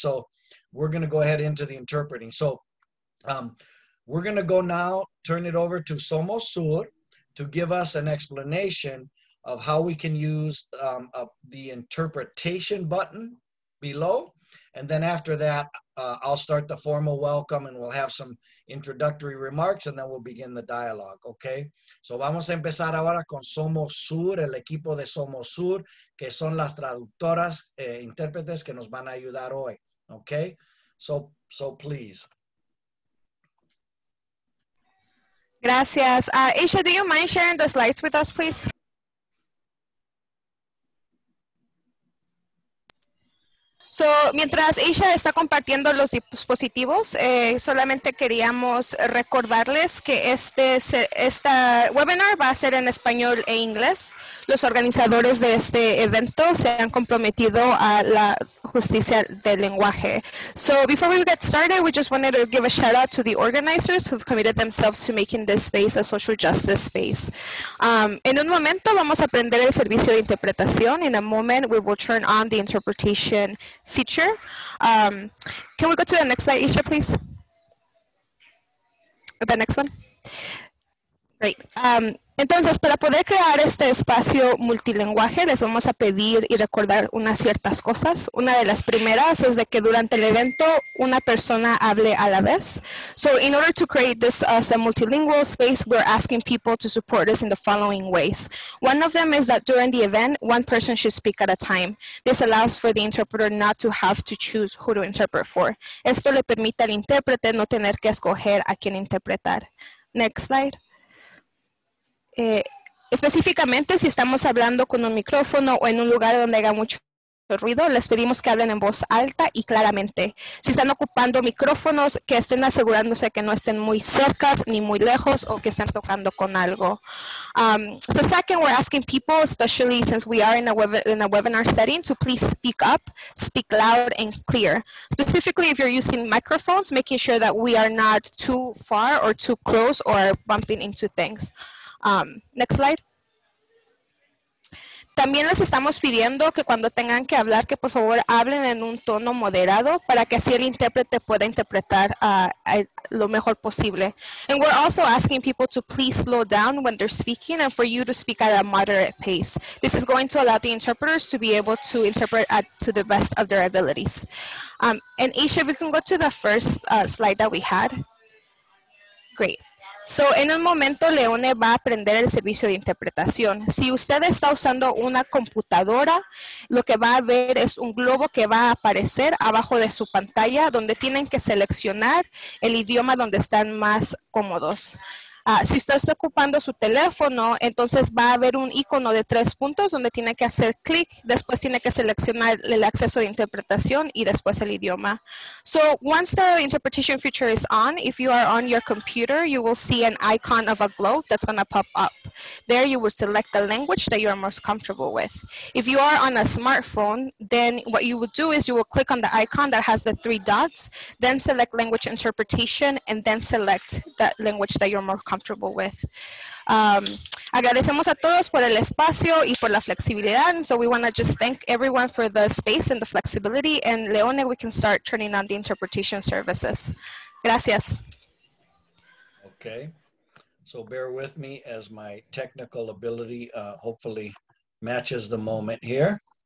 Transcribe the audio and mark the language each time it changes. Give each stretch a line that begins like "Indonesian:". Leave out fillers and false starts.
English: So we're going to go ahead into the interpreting. So we're going to go now, turn it over to Somos Sur to give us an explanation of how we can use the interpretation button below. And then after that, I'll start the formal welcome and we'll have some introductory remarks and then we'll begin the dialogue, okay?
Spanish: So vamos a empezar ahora con Somos Sur, el equipo de Somos Sur, que son las traductoras e intérpretes que nos van a ayudar hoy, okay?
English: So please.
Spanish: Gracias.
English: Isha, do you mind sharing the slides with us, please?
Spanish: So, mientras Isha está compartiendo los dispositivos, solamente queríamos recordarles que este webinar va a ser en español e inglés. Los organizadores de este evento se han comprometido a la justicia del lenguaje.
English: So, before we get started, we just wanted to give a shout out to the organizers who've committed themselves to making this space a social justice space.
Spanish: En un momento vamos a prender el servicio de interpretación.
English: In a moment, we will turn on the interpretation feature. Can we go to the next slide, Isha, please? The next one. Great.
Spanish: Entonces, para poder crear este espacio multilingüe, les vamos a pedir y recordar unas ciertas cosas. Una de las primeras es de que durante el evento una persona hable a la vez.
English: So, in order to create this as a multilingual space, we're asking people to support us in the following ways. One of them is that during the event, one person should speak at a time. This allows for the interpreter not to have to choose who to interpret for.
Spanish: Esto le permite al intérprete no tener que escoger a quién interpretar.
English: Next slide.
Spanish: Específicamente, si estamos hablando con un micrófono o en un lugar donde haya mucho ruido, les pedimos que hablen en voz alta y claramente. Si están ocupando micrófonos, que estén asegurándose que no estén muy cerca ni muy lejos o que estén tocando con algo.
English: So second, we're asking people, especially since we are in a webinar setting, to please speak up, speak loud and clear. Specifically, if you're using microphones, making sure that we are not too far or too close or bumping into things. Next slide.
Spanish: También les estamos pidiendo que cuando tengan que hablar, que por favor hablen en un tono moderado para que así el intérprete pueda interpretar lo mejor posible.
English: And we're also asking people to please slow down when they're speaking and for you to speak at a moderate pace. This is going to allow the interpreters to be able to interpret to the best of their abilities. And Isha, we can go to the first slide that we had. Great.
Spanish: So, en un momento, Leone va a prender el servicio de interpretación. Si usted está usando una computadora, lo que va a ver es un globo que va a aparecer abajo de su pantalla donde tienen que seleccionar el idioma donde están más cómodos. Si usted está ocupando su teléfono, entonces va a haber un icono de tres puntos donde tiene que hacer clic, después tiene que seleccionar el acceso de interpretación y después el idioma.
English: So once the interpretation feature is on, if you are on your computer, you will see an icon of a globe that's going to pop up. There you will select the language that you are most comfortable with. If you are on a smartphone, then what you will do is you will click on the icon that has the three dots, then select language interpretation, and then select that language that you're more comfortable with.
Spanish: Agradecemos a todos por el espacio y por la flexibilidad.
English: And so we want to just thank everyone for the space and the flexibility. And Leone, we can start turning on the interpretation services. Gracias. Okay. So bear with me as my technical ability hopefully matches the moment here.